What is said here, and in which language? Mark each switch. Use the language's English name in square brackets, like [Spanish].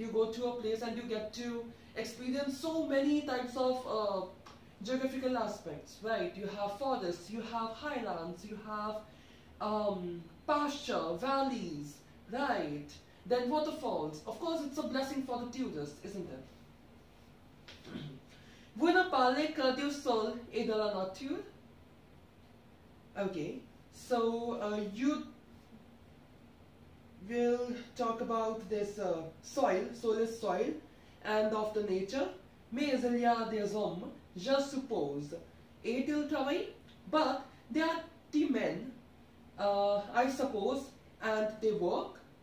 [English] You go to a place and you get to experience so many types of geographical aspects, right? You have forests, you have highlands, you have pasture, valleys, right? Then waterfalls. Of course, it's a blessing for the tourist, isn't it? [French] Vous ne parlez que du sol et de la nature? [English] Okay, so you will talk about this soil, soulless soil, and of the nature. [French] Mais il y a des hommes, je suppose. Et il travaille? [English] But there are the men, I suppose, and they work.